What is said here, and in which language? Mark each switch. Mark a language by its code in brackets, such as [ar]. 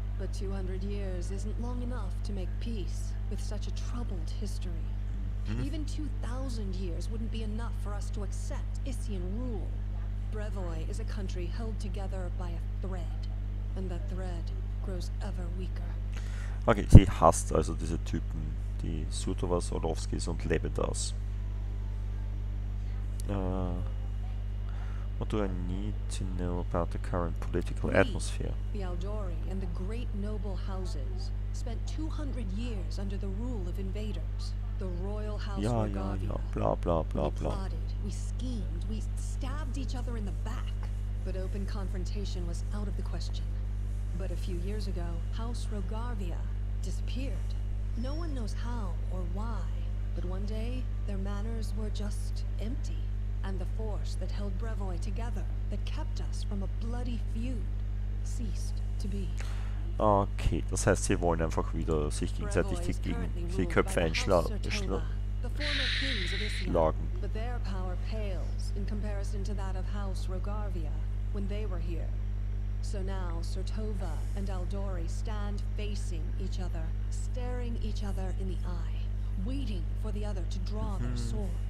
[en] But 200 years isn't long enough to make peace with such a troubled history. Mm-hmm. Even 2,000 years wouldn't be enough for us to accept Issian rule. Brevoy is a country held together by a thread, and that thread grows ever weaker. [de] Okay, sie hasst also diese Typen, die Surtovas, Orlovskis und Lebedas. [en] What do I need to know about the current political atmosphere? The Aldori and the great noble houses spent 200 years under the rule of invaders. The royal house Rogavia. Blah, blah, blah, we plotted, we schemed, we stabbed each other in the back. But open confrontation was out of the question. But a few years ago, House Rogavia disappeared. No one knows how or why, but one day, their manors were just empty. And the force that held Brevoy together, that kept us from a bloody feud, ceased to be. [de] Okay, das heißt, sie wollen einfach wieder sich gegenseitig die Köpfe einschlagen. [en] But their power pales in comparison to that of House Rogarvia when they were here. So now Sertova and Aldori stand facing each other, staring each other in the eye, waiting for the other to draw their sword.